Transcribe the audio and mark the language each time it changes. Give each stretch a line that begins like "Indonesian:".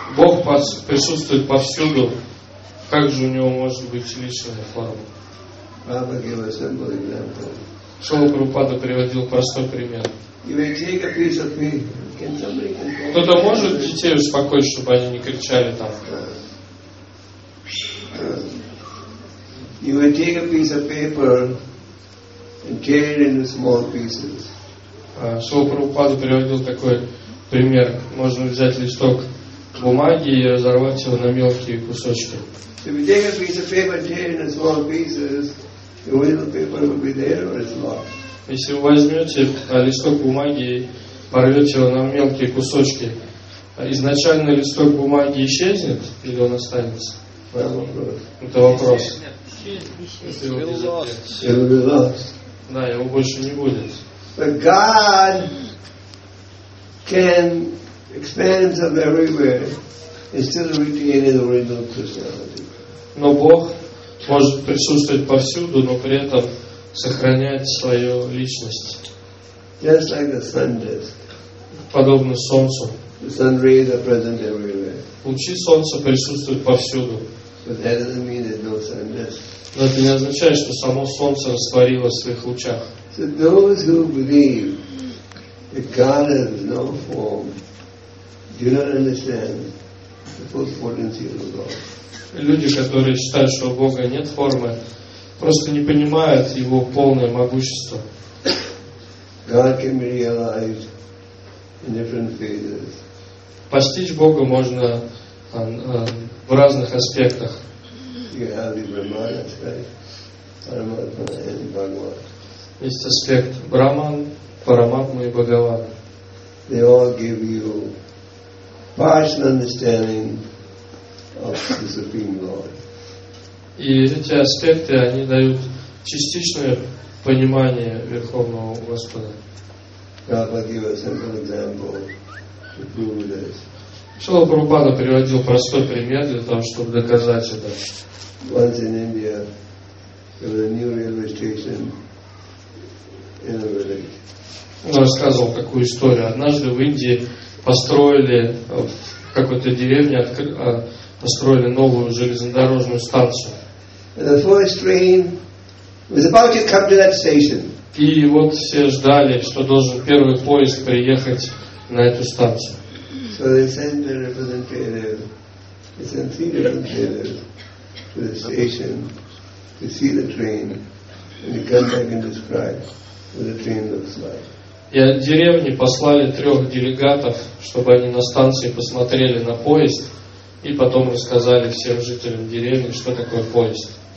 Russian: Бог присутствует повсюду. Как же у него может быть личная форма?
English: Prabhupada gave a simple example.
Russian: Шрила Прабхупада приводил простой пример. Кто-то может детей успокоить, чтобы они не кричали там?
English: You will take a piece of paper and tear it into small pieces.
Russian: Шрила Прабхупада приводил такой пример. Можно взять листок бумаги и разорвать его на мелкие кусочки.
English: If you take a piece of paper and tear it into small pieces, the original paper will be there or it's lost.
Russian: Если вы возьмете листок бумаги и порвете его на мелкие кусочки, изначально листок бумаги исчезнет или он останется? Это вопрос.
English: It will be lost.
Russian: Да, его больше не будет.
English: But God can expand himself everywhere and still retain his original personality.
Russian: Но Бог может присутствовать повсюду, но при этом сохранять свою личность.
English: Just like the sun does.
Russian: Подобно солнцу.
English: The sun rays are present everywhere.
Russian: Лучи солнца присутствуют повсюду.
English: But that doesn't mean that no sun does.
Russian: Но это не означает, что само солнце растворилось в своих лучах.
English: So those who believe that God has no form do not understand the full potency of God.
Russian: Люди, которые считают, что у Бога нет формы, просто не понимают его полное могущество.
English: God can be realized in different phases.
Russian: Постичь Бога можно в разных аспектах.
English: You have the Brahman aspect, Paramatma and Bhagavan.
Russian: Есть аспект Brahman, Paramatma и Bhagavan.
English: They all give you partial understanding of the Supreme Lord.
Russian: И эти аспекты, они дают частичное понимание Верховного Господа.
English: Prabhupada gave a simple example to prove this.
Russian: Шрила Прабхупада приводил простой пример для того, чтобы доказать это.
English: Once in India, there was a new railway station in a village.
Russian: Он рассказывал такую историю. Однажды в Индии построили в какой-то деревне построили новую железнодорожную станцию.
English: And the first train was about to come to that station.
Russian: И вот все ждали, что должен первый поезд приехать на эту станцию.
English: So they sent their representative, to the station to see the train and to come back and describe what the train looks like.
Russian: И от деревни послали трех делегатов, чтобы они на станции посмотрели на поезд и потом рассказали всем жителям деревни, что такое поезд.